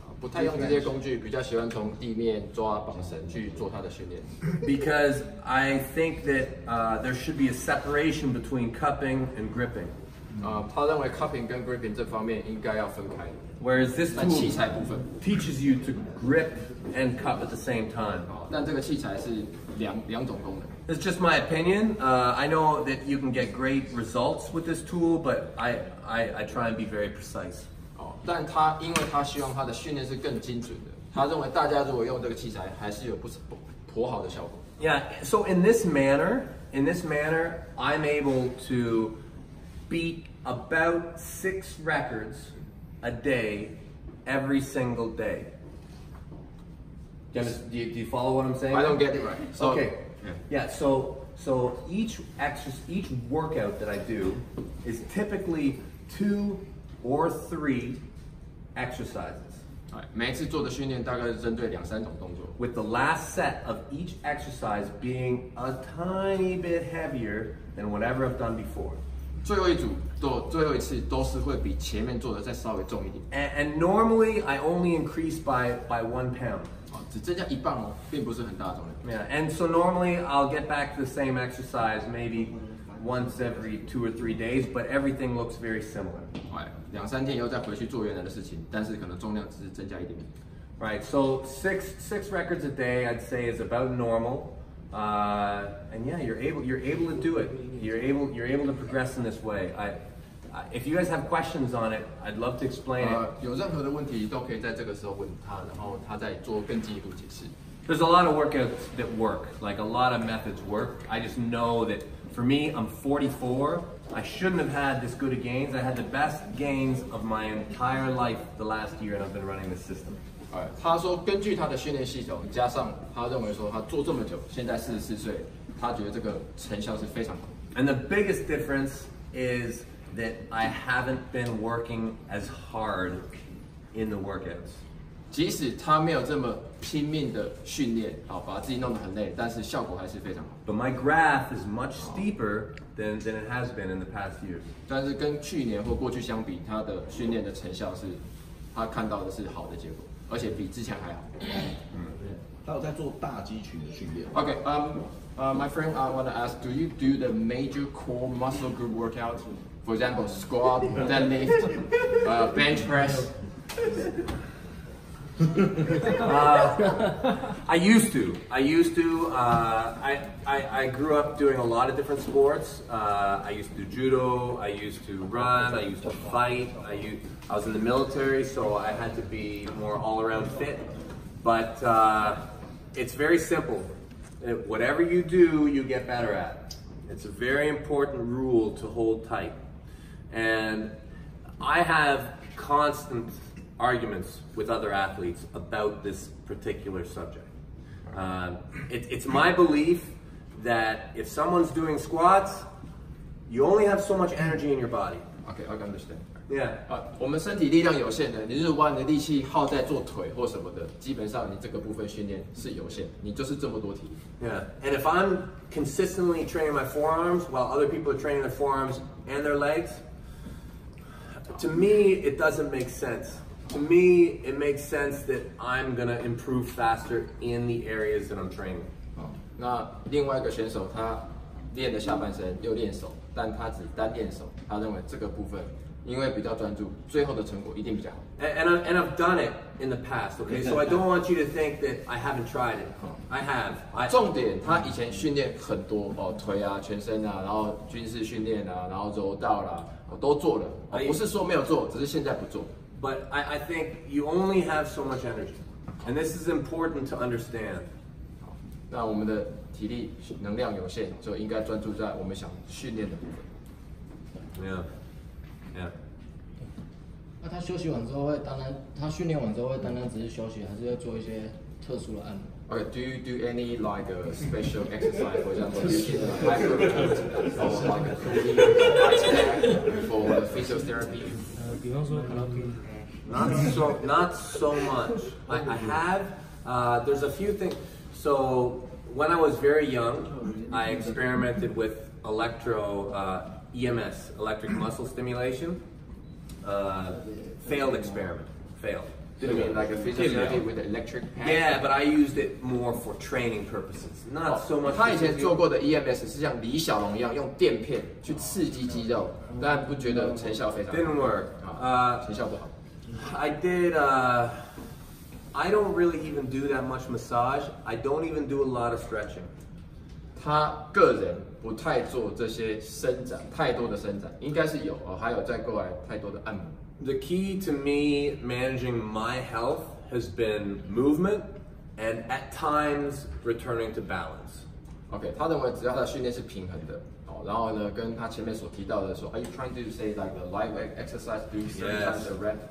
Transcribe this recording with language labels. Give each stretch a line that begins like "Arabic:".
Chinese: 不太用这些工具，比较喜欢从地面抓绑绳去做它的训练。
English: Because I think that there should be a separation between cupping and gripping.
Chinese: 他认为 cupping 跟 gripping 这方面应该要分开。
English: Whereas this tool
Chinese: 器材部分
English: teaches you to grip and cup at the same time.
Chinese: 但这个器材是两种功能。
English: It's just my opinion. I know that you can get great results with this tool, but I try and be very precise.
Chinese: 但他因为他希望他的训练是更精准的，他认为大家如果用这个器材，还是有不妥好的效果。
English: Yeah, so in this manner, I'm able to beat about 6 records a day every single day. Do you follow what I'm saying? I don't get it right. So, okay. Yeah. So each workout that I do is typically 2 or 3. Exercises.
Chinese: 每次做的训练大概是针对两三种动作。
English: With the last set of each exercise being a tiny bit heavier than whatever I've done before.
Chinese: 最后一次都是会比前面做的再稍微重一点。
English: And normally I only increase by 1 pound.
Chinese: 只增加一磅哦，并不是很大的重量。
English: Yeah, and so normally I'll get back to the same exercise maybe once every 2 or 3 days, but everything looks very similar. Right.
Chinese: 两三天以后再回去做原来的事情，但是可能重量只是增加一点点。
English: Right, so six records a day, I'd say, is about normal. And yeah, you're able to do it. You're able to progress in this way. If you guys have questions on it, I'd love to explain it.
Chinese: 有任何的问题都可以在这个时候问他，然后他再做更进一步解释。
English: There's a lot of workouts that work, like a lot of methods work. I just know that for me, I'm 44. I shouldn't have had this good of gains. I had the best gains of my entire life the last year, and I've been running this system.
Chinese: Alright, 他说根据他的训练系统，加上他认为说他做这么久，现在44岁，他觉得这个成效是非常好。
English: And the biggest difference is that I haven't been working as hard in the workouts.
Chinese: 即使他没有这么拼命的训练，好，把自己弄得很累，但是效果还是非常好。
English: But my graph is much steeper than it has been in the past years.
Chinese: 但是跟去年或过去相比，他的训练的成效是，他看到的是好的结果，而且比之前还好。嗯，他有在做大肌群的训练。
English: Okay, my friend, I want to ask, do you do the major core muscle group workouts? For example, squat, deadlift, bench press. I used to. I grew up doing a lot of different sports. I used to do judo. I used to run. I used to fight. I was in the military, so I had to be more all-around fit. But it's very simple. Whatever you do, you get better at. It's a very important rule to hold tight. And I have constant... arguments with other athletes about this particular subject. It's my belief that if someone's doing squats, you only have so much energy in your body. Okay, I can understand. Yeah.
Chinese: 我们身体力量有限的，你如果把你的力气耗在做腿或什么的，基本上你这个部分训练是有限，你就是这么多体力。
English: Yeah. And if I'm consistently training my forearms while other people are training their forearms and their legs, to me, it doesn't make sense. To me, it makes sense that I'm gonna improve faster in the areas that I'm training.
Chinese: 那另外一个选手他练的下半身又练手，但他只单练手，他认为这个部分因为比较专注，最后的成果一定比较好。
English: And I've done it in the past, okay? So I don't want you to think that I haven't tried it. I have.
Chinese: 重点他以前训练很多哦，腿啊、全身啊，然后军事训练啊，然后柔道啦，我都做了。不是说没有做，只是现在不做。
English: But I think you only have so much energy. And this is important to understand.
Chinese: 那我们的体力能量有限，就应该专注在我们想训练的部分。
English: Yeah. Yeah.
Chinese: 那他休息完之后会单单，他训练完之后会单单只是休息，还是要做一些特殊的按摩？
English: Okay, do you do any like a special exercise, for example, for the physiotherapy?
Chinese: 比方说卡拉 OK。
English: Not so much. I have, there's a few things. So when I was very young, I experimented with EMS, electric muscle stimulation. Failed experiment. Like a physiotherapy with electric pads? Yeah, but I used it more for training purposes. Not so much.
Chinese: 他以前做过的 EMS 是像李小龙一样用电片去刺激肌肉，但不觉得成效非常好。
English: Didn't work.
Chinese: 成效不好。
English: I did, I don't really even do that much massage. I don't even do a lot of stretching.
Chinese: 他个人不太做这些伸展，太多的伸展，应该是有，还有再过来太多的按摩。
English: The key to me managing my health has been movement and at times returning to balance.
Chinese: Okay, 他认为只要他训练是平衡的。然后呢，跟他前面所提到的说
English: ，Are you trying to say like the lightweight exercise doing certain kinds of rep?